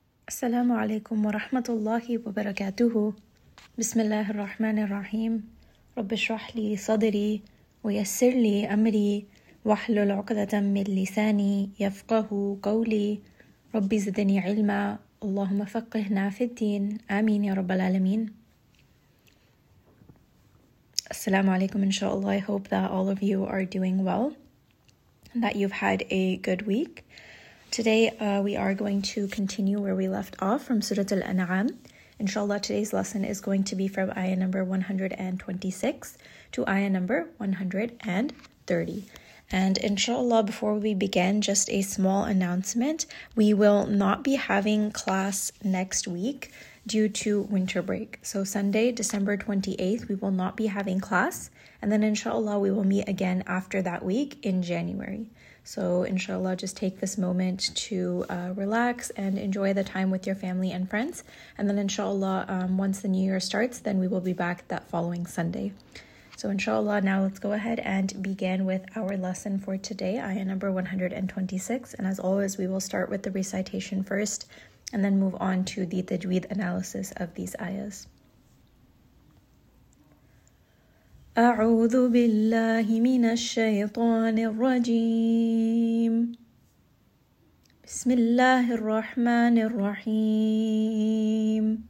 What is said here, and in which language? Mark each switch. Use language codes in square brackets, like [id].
[ar] السلام عليكم ورحمة الله وبركاته. بسم الله الرحمن الرحيم. رب اشرح لي صدري ويسر لي أمري واحلل عقدة من لساني يفقه قولي. ربي زدني علما، اللهم فقهنا في الدين، آمين يا رب العالمين. السلام عليكم. إن شاء الله [en] I hope that all of you are doing well and that you've had a good week. Today, we are going to continue where we left off from Surah Al-An'am. Inshallah, today's lesson is going to be from ayah number 126 to ayah number 130. And inshallah, before we begin, just a small announcement. We will not be having class next week due to winter break. So Sunday, December 28th, we will not be having class. And then inshallah, we will meet again after that week in January. So inshallah, just take this moment to relax and enjoy the time with your family and friends. And then inshallah, once the new year starts, then we will be back that following Sunday. So inshallah, now let's go ahead and begin with our lesson for today, ayah number 126. And as always, we will start with the recitation first and then move on to the tajweed analysis of these ayahs. [ar] أعوذ بالله من الشيطان الرجيم بسم الله الرحمن الرحيم